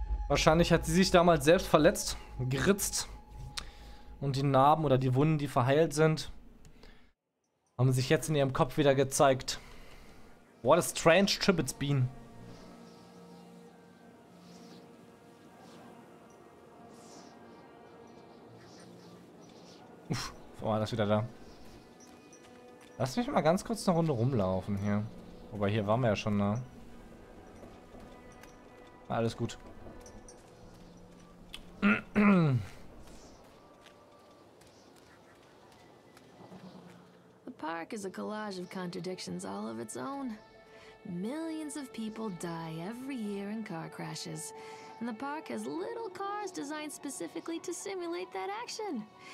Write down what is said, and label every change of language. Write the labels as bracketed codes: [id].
[de] Wahrscheinlich hat sie sich damals selbst verletzt, geritzt. Und die Narben oder die Wunden, die verheilt sind, haben sich jetzt in ihrem Kopf wieder gezeigt. [en] What a strange trip it's been. [de] Uff, war das wieder da. Lass mich mal ganz kurz eine Runde rumlaufen hier. Wobei, hier waren wir ja schon, ne? Alles gut. [en] The park is a collage of contradictions all of its own. Millions of people die every year in car crashes, and the park has little cars designed specifically to simulate that action.